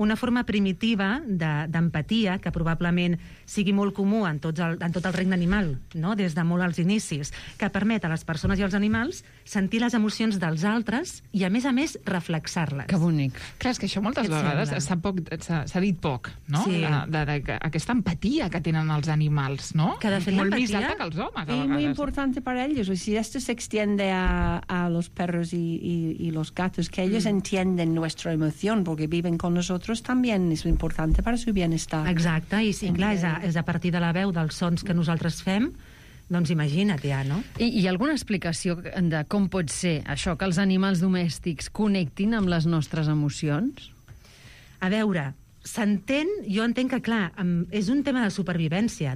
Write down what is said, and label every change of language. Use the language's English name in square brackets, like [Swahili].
[Catalan] una forma primitiva d'empatia, que probablement sigui molt comú en tot el regne animal, no?, des de molt als inicis, que permet a les persones i als animals sentir les emocions dels altres i, a més, reflexar-les. Que bonic. Clar, és que això moltes vegades s'ha dit poc, no?, sí, aquesta empatia que tenen els animals, no? Que, de fet, molt més alta que els homes, a vegades. [Spanish] Y muy importante para ellos. O sea, esto se extiende a los perros y los gatos, que ellos entienden nuestra emoción porque viven con nosotros también, es importante para su bienestar. [Catalan] Exacte, i sí, clar, és a partir de la veu, dels sons que nosaltres fem, doncs imagina't ja, no? I alguna explicació de com pot ser això, que els animals domèstics connectin amb les nostres emocions? A veure, s'entén, jo entenc que, clar, és un tema de supervivència.